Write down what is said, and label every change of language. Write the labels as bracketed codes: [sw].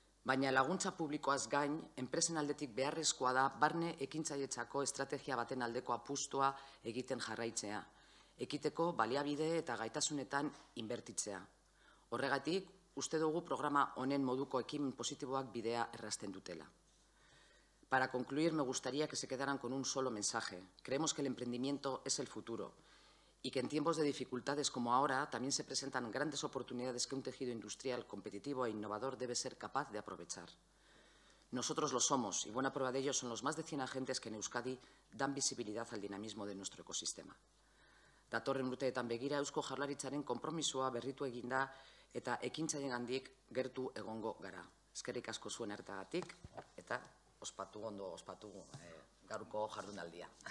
[eu] Baina laguntza publikoaz gain, enpresen aldetik beharrezkoa da barne ekintzaietzako estrategia baten aldeko apustua egiten jarraitzea, ekiteko baliabide eta gaitasunetan inbertitzea. Horregatik, uste dugu programa honen moduko ekin positiboak bidea errazten dutela. [es] Para concluir, me gustaría que se quedaran con un solo mensaje. Creemos que el emprendimiento es el futuro y que en tiempos de dificultades como ahora también se presentan grandes oportunidades que un tejido industrial competitivo e innovador debe ser capaz de aprovechar. Nosotros lo somos y buena prueba de ello son los más de 100 agentes que en Euskadi dan visibilidad al dinamismo de nuestro ecosistema. [eu] Datorren urteetan begira, Eusko Jaurlaritzaren konpromisoa berritu eginda eta ekintzaileengandik gertu egongo gara. Eskerrik asko zuen hartagatik eta ospatu gaurko jardunaldia.